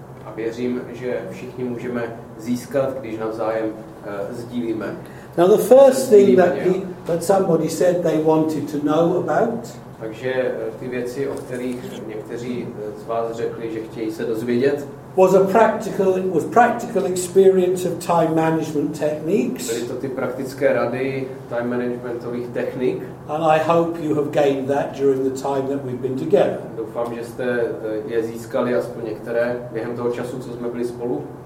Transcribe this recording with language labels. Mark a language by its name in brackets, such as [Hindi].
[Czech] A věřím, že všichni můžeme získat, když navzájem sdílíme. [English] Now the first thing that somebody said they wanted to know about. [Czech] Takže ty věci, o kterých někteří z vás řekli, že chtějí se dozvědět. [English] Was practical experience of time management techniques. [Czech] Byly to ty praktické rady time managementových technik. [English] And I hope you have gained that during the time that we've been together. [Czech] Doufám, že jste je získali aspoň některé během toho času, co jsme byli spolu.